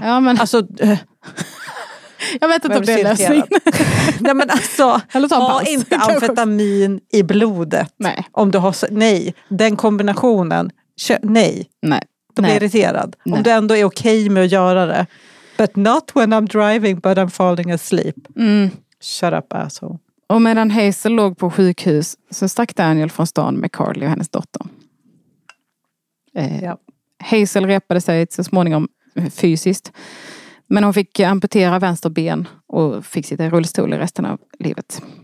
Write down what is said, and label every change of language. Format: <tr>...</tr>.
<sv>Ja, men... Alltså, jag vet inte om det är lösningen. Nej, men alltså, ha inte amfetamin i blodet. Nej. Om du har, nej, den kombinationen. Nej. Nej. Då blir irriterad. Nej. Om du ändå är okej med att göra det.</sv> <en>But not when I'm driving, but I'm falling asleep. Mm. Shut up, asshole.</en> <sv>Och medan Hazel låg på sjukhus så stack Daniel från stan med Carly och hennes dotter. Ja. Hazel repade sig så småningom fysiskt. Men hon fick amputera vänster ben och fick sitta i rullstol i resten av livet.</sv>